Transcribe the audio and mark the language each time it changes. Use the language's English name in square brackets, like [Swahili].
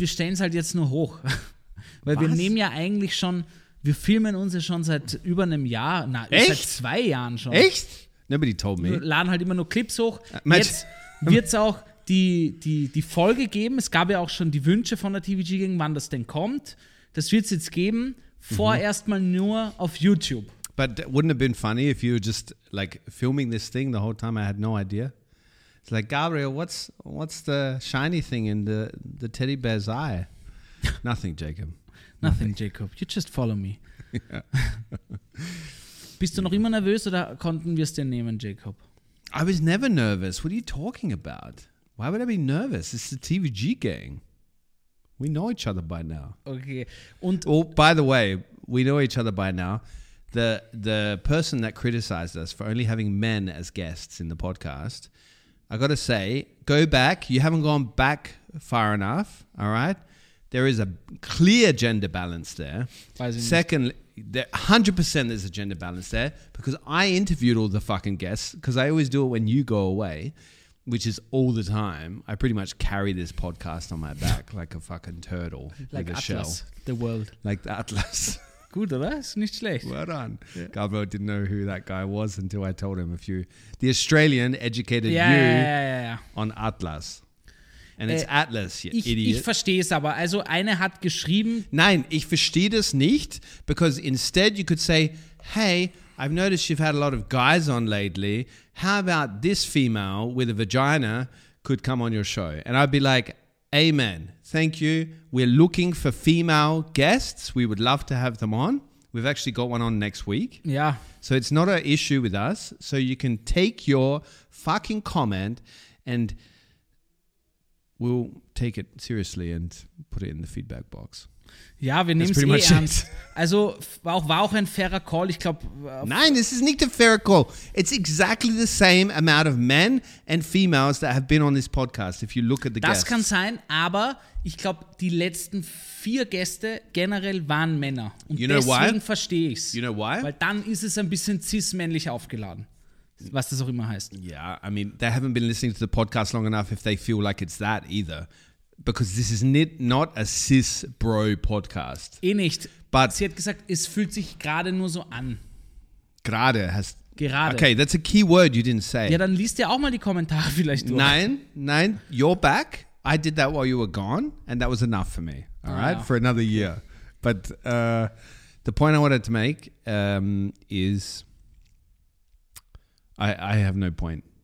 [German] Wir stellen es halt jetzt nur hoch. Weil was? Wir nehmen ja eigentlich schon, wir filmen uns ja schon seit über einem Jahr. Na, echt? Seit 2 Jahren schon. [English] Echt? Nobody told me. [German] Wir laden halt immer nur Clips hoch. Jetzt wird es auch die Folge geben. Es gab ja auch schon die Wünsche von der TVG gegen, wann das denn kommt. Das wird es jetzt geben. Vorerst mal nur auf YouTube. [English] But wouldn't it have been funny if you were just like filming this thing the whole time? I had no idea. It's like, Gabriel, what's the shiny thing in the teddy bear's eye? Nothing, Jacob. Nothing, Jacob. You just follow me. [German] Bist du noch immer nervös oder konnten wir es dir nehmen, Jacob? [English] I was never nervous. What are you talking about? Why would I be nervous? It's the TVG gang. We know each other by now. [German] Okay. Und [English] oh, by the way, we know each other by now. The person that criticized us for only having men as guests in the podcast, I got to say, go back. You haven't gone back far enough, all right? There is a clear gender balance there. Secondly, 100% there's a gender balance there because I interviewed all the fucking guests because I always do it when you go away, which is all the time. I pretty much carry this podcast on my back like a fucking turtle. Like Atlas, shell. The world. Like the Atlas. [German] Gut, oder? Ist nicht schlecht. [English] Well done. Yeah. Gabriel didn't know who that guy was until I told him a few. The Australian educated on Atlas. And it's Atlas, you idiot. [German] Ich verstehe es aber. Also eine hat geschrieben. Nein, ich verstehe das nicht. [English] Because instead you could say, hey, I've noticed you've had a lot of guys on lately. How about this female with a vagina could come on your show? And I'd be like, amen. Thank you. We're looking for female guests. We would love to have them on. We've actually got one on next week. Yeah. So it's not an issue with us. So you can take your fucking comment and we'll take it seriously and put it in the feedback box. [German] Ja, wir nehmen es eh ernst. Also war auch ein fairer Call. Ich glaube. [English] Nein, this is not a fair call. It's exactly the same amount of men and females that have been on this podcast. If you look at the guests. [German] Das kann sein, aber ich glaube, die letzten 4 Gäste generell waren Männer. Und [English] you know [German] deswegen verstehe ich es. [English] You know why? [German] Weil dann ist es ein bisschen cis-männlich aufgeladen. Was das auch immer heißt. [English] Yeah, I mean, they haven't been listening to the podcast long enough if they feel like it's that either. Because this is not a cis-bro-podcast. [German] Eh nicht. [English] But [German] sie hat gesagt, es fühlt sich gerade nur so an. Gerade hast. Gerade. [English] Okay, that's a key word you didn't say. [German] Ja, dann liest ihr auch mal die Kommentare vielleicht durch. [English] Nein, you're back. I did that while you were gone and that was enough for me, all right, for another year. But the point I wanted to make is I have no point.